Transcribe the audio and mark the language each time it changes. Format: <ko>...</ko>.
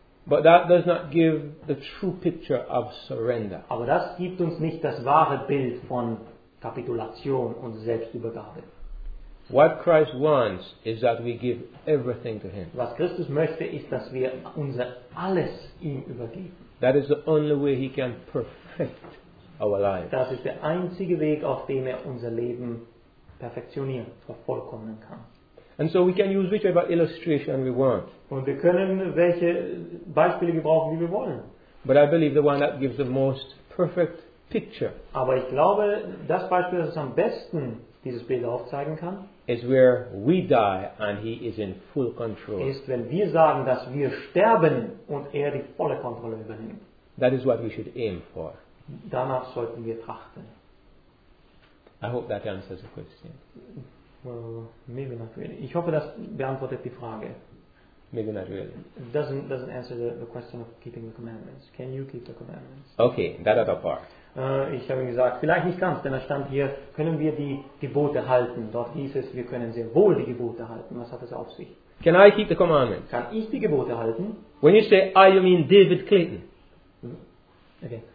<en>But that does not give the true picture of surrender.</en> <de>Aber das gibt uns nicht das wahre Bild von Kapitulation und Selbstübergabe.</de> <en>What Christ wants is that we give everything to him.</en> <de>Was Christus möchte, ist, dass wir unser alles ihm übergeben.</de> <en>That is the only way he can perfect our life.</en> <de>Das ist der einzige Weg, auf dem er unser Leben perfektionieren, vervollkommnen kann.</de> <en>And so we can use whichever illustration we want.</en> <de>Und wir können welche Beispiele gebrauchen, wie wir wollen.</de> <en>But I believe the one that gives the most perfect picture.</en> <de>Aber ich glaube, das Beispiel, das am besten dieses Bild aufzeigen kann,</de> <en>is where we die and he is in full control.</en> <de>Ist, wenn wir sagen, dass wir sterben und er die volle Kontrolle übernimmt.</de> <en>That is what we should aim for.</en> <de>Danach sollten wir trachten.</de> <en>I hope that answers the question. Well, maybe not really.</en> <de>Ich hoffe, das beantwortet die Frage.</de> <en>Maybe not really. Doesn't answer the question of keeping the commandments. Can you keep the commandments? Okay, that other part.</en> <de>Ich habe gesagt, vielleicht nicht ganz, denn da stand hier, können wir die Gebote halten? Dort hieß es, wir können sehr wohl die Gebote halten. Was hat es auf sich?</de> <en>Can I keep the commandments?</en> <de>Kann ich die Gebote halten?</de> <en>When you say I, you mean David Clayton. Okay.</en>